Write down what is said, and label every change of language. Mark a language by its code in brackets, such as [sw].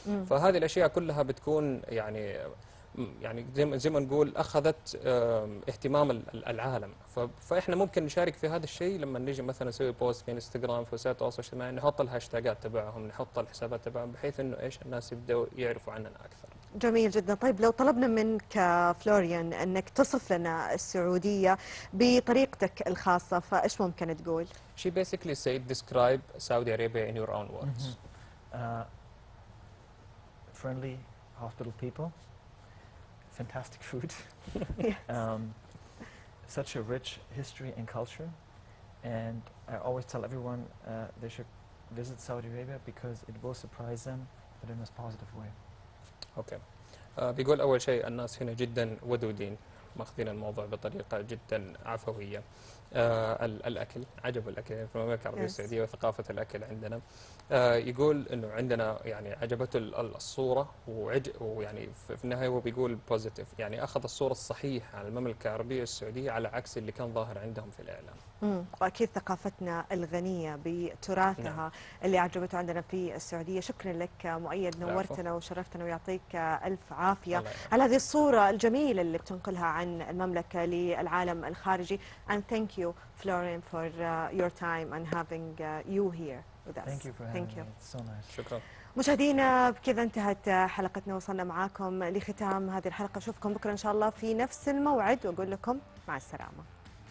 [ar] فهذه الأشياء كلها بتكون يعني زي ما نقول أخذت اهتمام العالم، فإحنا ممكن نشارك في هذا الشيء لما نجي مثلا نسوي بوست في إنستغرام، في وسائل التواصل الاجتماعي، نحط الهاشتاجات تبعهم، نحط الحسابات تبعهم، بحيث أنه إيش الناس يبدأوا يعرفوا عننا أكثر. جميل جدا. طيب لو طلبنا منك فلوريان أنك تصف لنا السعودية بطريقتك الخاصة، فإيش ممكن تقول؟ [en] She basically said describe Saudi Arabia in your own words. Friendly, hospitable people. Fantastic food, such a rich history and culture, and I always tell everyone they should visit Saudi Arabia because it will surprise them, but in a positive way. Okay. [ar] بيقول أول شيء الناس هنا جدا ودودين، ماخذين الموضوع بطريقة جدا عفوية. الأكل عجب الأكل في المملكة العربية السعودية وثقافة الأكل عندنا. يقول إنه عندنا يعني عجبته الصورة ويعني في النهاية هو بيقول بوزيتيف، يعني أخذ الصورة الصحيحة عن المملكة العربية السعودية على عكس اللي كان ظاهر عندهم في الإعلام. وأكيد ثقافتنا الغنية بتراثها. نعم. اللي عجبته عندنا في السعودية. شكرا لك مؤيد، نورتنا وشرفتنا ويعطيك ألف عافية على هذه الصورة الجميلة اللي بتنقلها عن المملكة للعالم الخارجي. [en] And thank you Florian for your time and having you here with us. Thank you for having me. It's so nice. [ar] شكرا. مشاهدينا بكذا انتهت حلقتنا، وصلنا معاكم لختام هذه الحلقة. أشوفكم بكرة إن شاء الله في نفس الموعد، وأقول لكم مع السلامة.